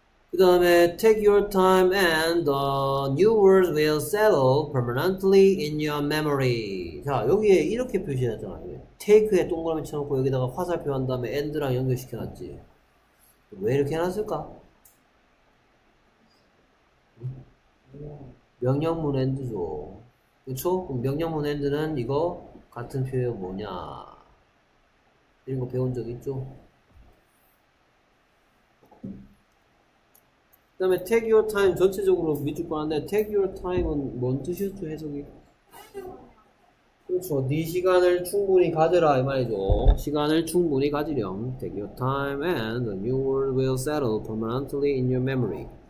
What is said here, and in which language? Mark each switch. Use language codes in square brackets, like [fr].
[ko] 그 다음에 [en] take your time and the new words will settle permanently in your memory. [ko] 자, 여기에 이렇게 표시했잖아요. take에 동그라미 쳐놓고 여기다가 화살표 한 다음에 and랑 연결시켜놨지. 왜 이렇게 해놨을까? 명령문 and죠. 그쵸? 그럼 명령문 and는 이거 같은 표현 뭐냐? 이런 거 배운 적 있죠? 그 다음에 [en] take your time [ko] 전체적으로 밑줄 뻔한데 take your time은 뭔 뜻이었죠 해석이? 그렇죠. 네 시간을 충분히 가져라 이 말이죠. 시간을 충분히 가지렴. [en] take your time and the new world will settle permanently in your memory.